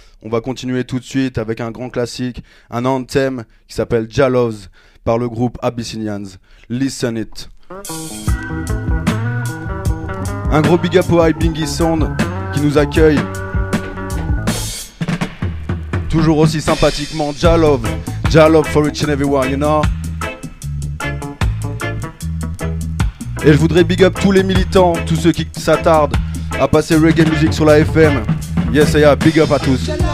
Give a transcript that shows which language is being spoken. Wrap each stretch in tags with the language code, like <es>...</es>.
<fr>On va continuer tout de suite avec un grand classique, un anthem qui s'appelle Jalows par le groupe Abyssinians.</fr> <en>Listen it.</en> <fr>Un gros big up au Ibingi Sound qui nous accueille. Toujours aussi sympathiquement, Jalov.</fr> <en>Jalov for each and everyone, you know.</en> <fr>Et je voudrais big up tous les militants, tous ceux qui s'attardent à passer reggae music sur la FM. Yes, yeah, big up à tous.</fr>